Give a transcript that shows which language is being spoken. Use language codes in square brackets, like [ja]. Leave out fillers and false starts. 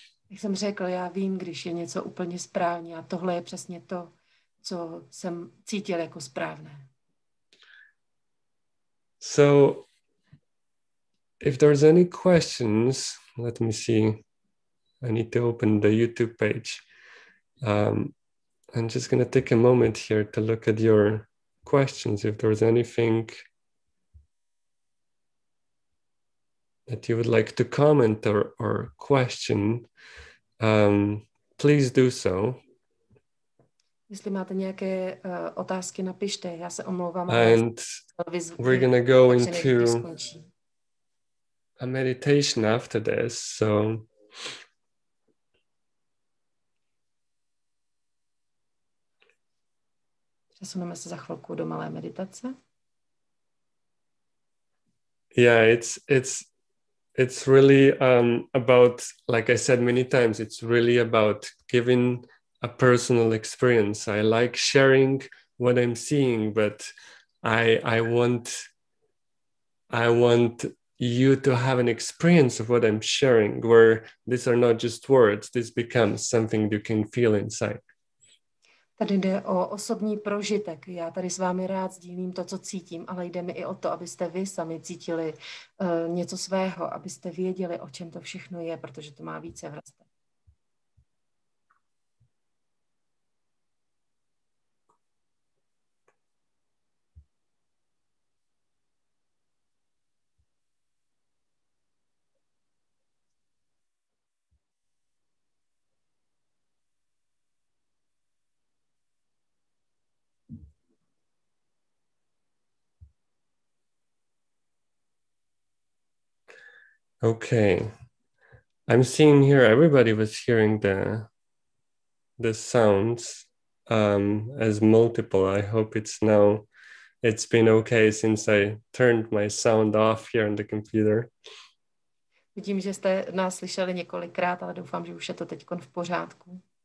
[cs] Jak jsem řekl, já vím, když je něco úplně správně a tohle je přesně to, co jsem cítil jako správné. [en] So if there's any questions, let me see. I need to open the YouTube page. I'm just going to take a moment here to look at your questions, if there's anything that you would like to comment or question, please do so. [cs] Jestli máte nějaké otázky, napište. Já se omlouvám. [en] And we're going to go into a meditation after this, so [cs] přesuneme se za chvilku do malé meditace. [en] Yeah, it's really about, like I said many times, it's really about giving a personal experience. I like sharing what I'm seeing, but I want you to have an experience of what I'm sharing, where these are not just words, this becomes something you can feel inside. [cs] Tady jde o osobní prožitek. Já tady s vámi rád sdílím to, co cítím, ale jde mi i o to, abyste vy sami cítili něco svého, abyste věděli, o čem to všechno je, protože to má více vrstev. [en] Okay, I'm seeing here, everybody was hearing the sounds as multiple. I hope it's been okay since I turned my sound off here on the computer. [cs] Vidím, že jste nás slyšeli několikrát, ale doufám, že už je to teďkon v pořádku.